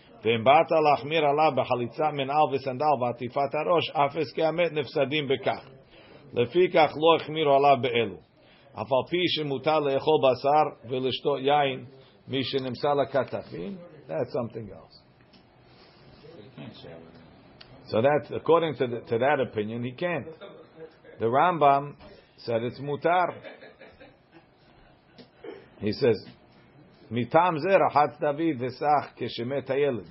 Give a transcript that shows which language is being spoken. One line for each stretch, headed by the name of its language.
Hebrew: ואם באת להחמיר עליו בחליצה מנעל וסנדל ועטיפת הראש, אפס כאמת נפסדים בכך. לפי כך לא החמירו עליו באלו. אף על פי שמותל לאכול בשר ולשתות יין מי שנמצא לכתפים,
English: that's something else. So that, according to that opinion, he can't. The Rambam said it's mutar. He says,
Hebrew: מטעם זה רחץ דוד וסח כשמת הילד.